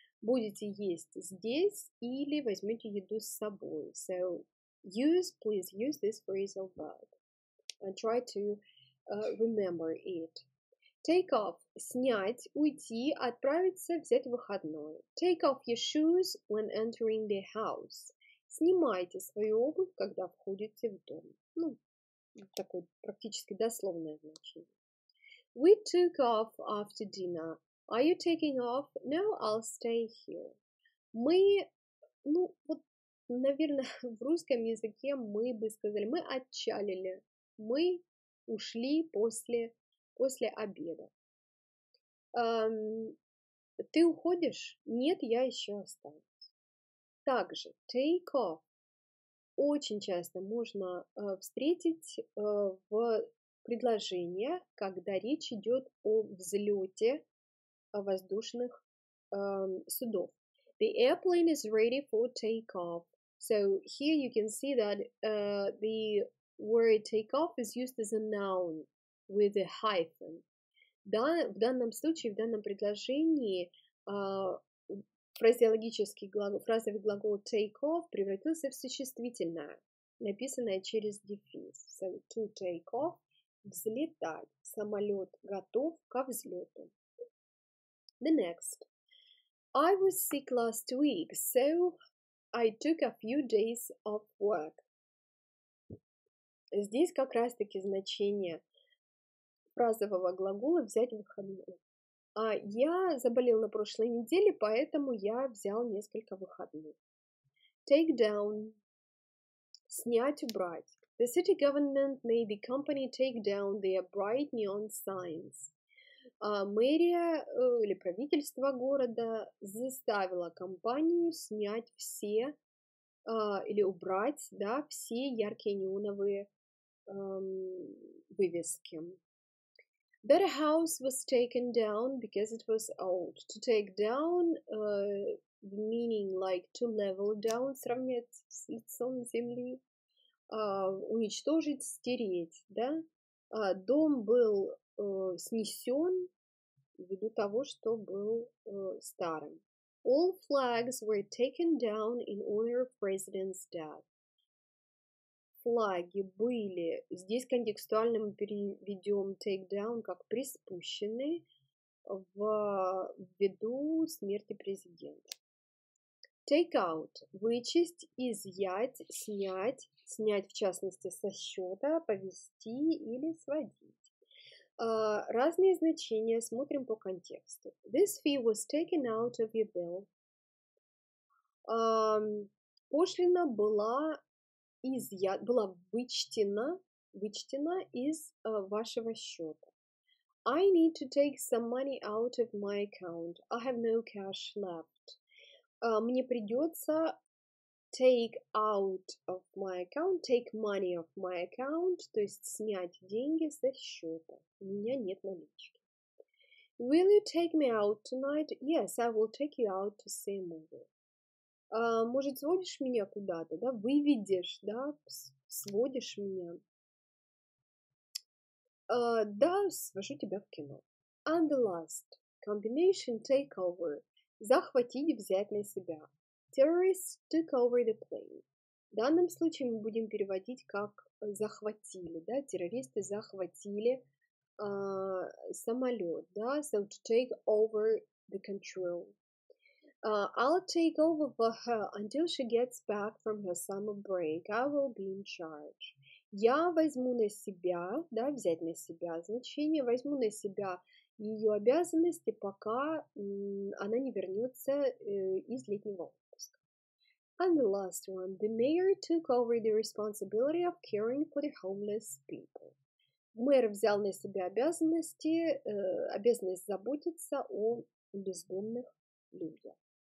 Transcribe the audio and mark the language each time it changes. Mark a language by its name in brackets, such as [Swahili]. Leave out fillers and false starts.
[Russian] Будете есть здесь или возьмете еду с собой. [English] So use, please use this phrasal verb. And try to remember it. [Russian] Take off – снять, уйти, отправиться, взять выходной. [English] Take off your shoes when entering the house. [Russian] Снимайте свою обувь, когда входите в дом. Ну, такое практически дословное значение. [English] We took off after dinner. Are you taking off? No, I'll stay here. [Russian] Мы Ну, вот, наверное, в русском языке мы бы сказали, мы отчалили, мы ушли после обеда. Ты уходишь? Нет, я еще останусь. Также take off очень часто можно встретить в предложении, когда речь идет о взлете воздушных судов. [English] The airplane is ready for takeoff. So here you can see that the word takeoff is used as a noun with a hyphen. [Russian] Да, в данном случае, в данном предложении фразеологический глагол, фразовый глагол take off превратился в существительное, написанное через дефис. [English] So to take off – взлетать. [Russian] Самолет готов ко взлету. [English] The next. I was sick last week, so I took a few days off work. [Russian] Здесь как раз-таки значение фразового глагола взять выходные. А я заболел на прошлой неделе, поэтому я взял несколько выходных. Take down. Снять, убрать. [English] The city government made the company take down their bright neon signs. [Russian] А мэрия или правительство города заставило компанию снять все или убрать, да, все яркие неоновые вывески. [English] That house was taken down because it was old. To take down, meaning like to level down, [Russian] сравнять с лицом земли, уничтожить, стереть, да? Дом был снесен ввиду того, что был старым. [English] All flags were taken down in honor of president's death. [Russian] Флаги были, здесь контекстуально мы переведем take down как приспущены ввиду смерти президента. Take out – вычесть, изъять, снять, снять в частности со счета, повести или сводить. Разные значения, смотрим по контексту. [English] This fee was taken out of your bill. [Russian] Пошлина была была вычтена из вашего счета. [English] I need to take some money out of my account. I have no cash left. [Russian] Мне придется [English] take out of my account, [Russian] take money off my account, то есть снять деньги со счета. У меня нет налички. [English] Will you take me out tonight? Yes, I will take you out to see a movie. [Russian] Может, сводишь меня куда-то, да, выведешь, да, сводишь меня. Да, свожу тебя в кино. [English] And the last combination take over. [Russian] Захватить, взять на себя. [English] Terrorists took over the plane. [Russian] В данном случае мы будем переводить как захватили, да, террористы захватили самолет, да, [English] so to take over the control. I'll take over for her until she gets back from her summer break. I will be in charge. [Russian] Я возьму на себя, да, взять на себя значение, возьму на себя ее обязанности, пока она не вернется из летнего отпуска. [English] And the last one. The mayor took over the responsibility of caring for the homeless people. [Russian] Мэр взял на себя обязанность заботиться о бездомных людях.